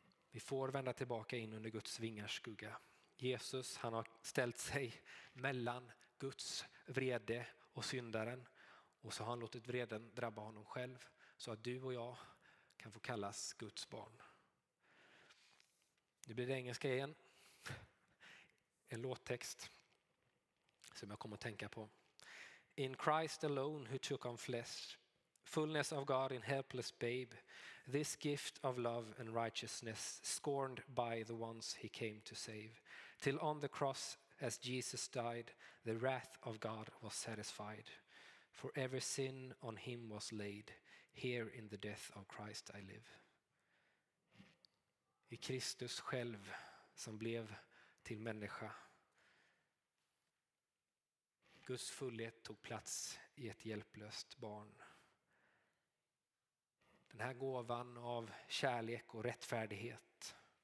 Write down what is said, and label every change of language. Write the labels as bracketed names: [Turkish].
[Swedish] Vi får vända tillbaka in under Guds vingars skugga. Jesus, han har ställt sig mellan Guds vrede och syndaren. Och så har han låtit vreden drabba honom själv. Så att du och jag kan få kallas Guds barn. Nu blir det engelska igen. En låttext som jag kommer att tänka på. [English] In Christ alone who took on flesh. Fullness of God in helpless babe, this gift of love and righteousness scorned by the ones he came to save. Till on the cross as Jesus died, the wrath of God was satisfied. For every sin on him was laid, here in the death of Christ I live. [Swedish] I Kristus själv som blev till människa. Guds fullhet tog plats i ett hjälplöst barn. Den här gåvan av kärlek och rättfärdighet.